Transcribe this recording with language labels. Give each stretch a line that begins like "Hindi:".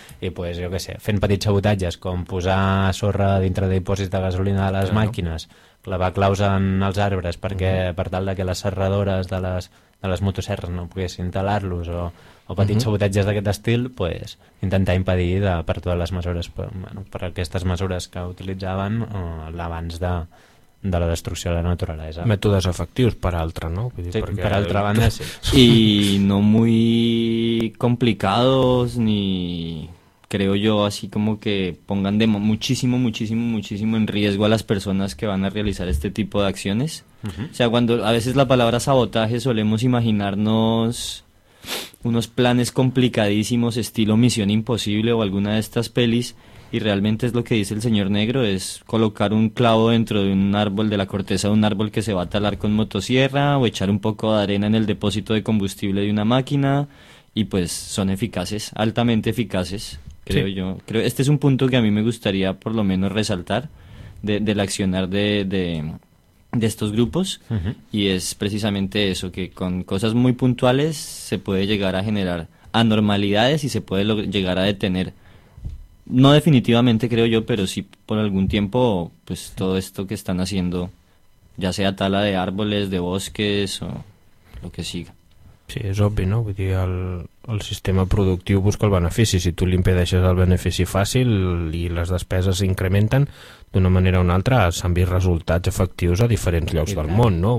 Catalan: I pues, jo què sé, fent petits sabotatges, com posar sorra dintre de dipòsits de gasolina de les màquines, clavar claus en els arbres perquè per tal de que les serradores de les motoserres no poguessin talar-los o petits sabotatges d'aquest estil, pues, intentar impedir per totes les mesures, per aquestes mesures que utilitzaven l'abans de la destrucció de la naturalesa. Mètodes efectius, per altra, no? Vull dir, sí, perquè... per altra banda, sí.
Spanish: I no muy complicados ni... creo yo, así como que pongan de muchísimo, muchísimo, muchísimo en riesgo a las personas que van a realizar este tipo de acciones. O sea, cuando a veces la palabra sabotaje solemos imaginarnos unos planes complicadísimos estilo Misión Imposible o alguna de estas pelis, y realmente es lo que dice el señor negro, es colocar un clavo dentro de un árbol, de la corteza de un árbol que se va a talar con motosierra, o echar un poco de arena en el depósito de combustible de una máquina, y pues son eficaces, altamente eficaces. Creo yo. Creo, este es un punto que a mí me gustaría por lo menos resaltar del accionar de estos grupos, y es precisamente eso, que con cosas muy puntuales se puede llegar a generar anormalidades y se puede llegar a detener, no definitivamente creo yo, pero sí por algún tiempo, pues todo esto que están haciendo, ya sea tala de árboles, de bosques o lo que siga.
Catalan: Sí, és obvi, no? Vull dir, el sistema productiu busca el benefici. Si tu li impedeixes el benefici fàcil i les despeses s'incrementen, d'una manera o una altra s'han vist resultats efectius a diferents llocs del món, no?